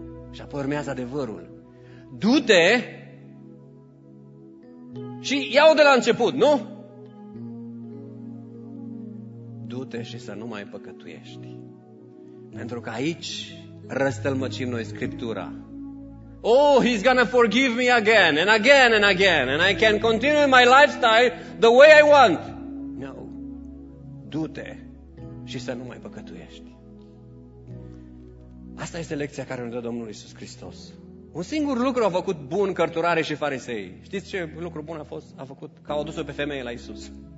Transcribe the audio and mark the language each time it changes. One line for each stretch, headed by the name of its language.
Romanian: Și apoi urmează adevărul. Du-te și iau de la început, nu? Du-te și să nu mai păcătuiești. Pentru că aici răstălmăcim noi Scriptura.
English: Oh, he's gonna forgive me again and again and again and I can continue my lifestyle the way I want. No.
Romanian: Du-te și să nu mai păcătuiești. Asta este lecția care ne dă Domnul Iisus Hristos. Un singur lucru a făcut bun cărturare și farisei. Știți ce lucru bun a fost? A făcut că au dus-o pe femeie la Iisus.